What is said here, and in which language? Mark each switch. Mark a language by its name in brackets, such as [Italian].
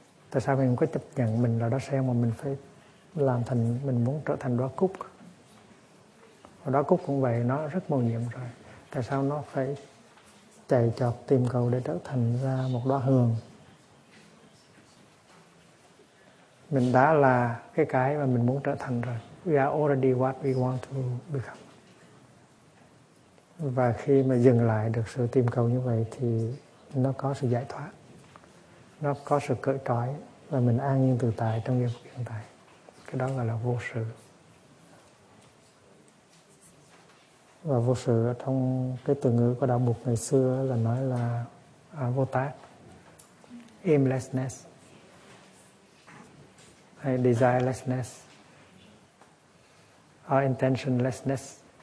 [Vietnamese] Tại sao mình không có chấp nhận mình là đóa sen mà mình phải làm thành, mình muốn trở thành đóa cúc. Và đóa cúc cũng vậy, nó rất mô nhiệm rồi. Tại sao nó phải chạy chọt tìm cầu để trở thành ra một đóa hường? mình đã là cái mà mình muốn trở thành rồi. [English] We are already what we want to become. [Vietnamese] Và khi mà dừng lại được sự tìm cầu như vậy thì nó có sự giải thoát, nó có sự cởi trói và mình an nhiên tự tại trong giây phút hiện tại. Cái đó gọi là vô sự. Và vô sự trong cái từ ngữ của đạo Bụt ngày xưa là nói là vô tác, [English] aimlessness [Vietnamese] hay [English] desirelessness or intentionlessness.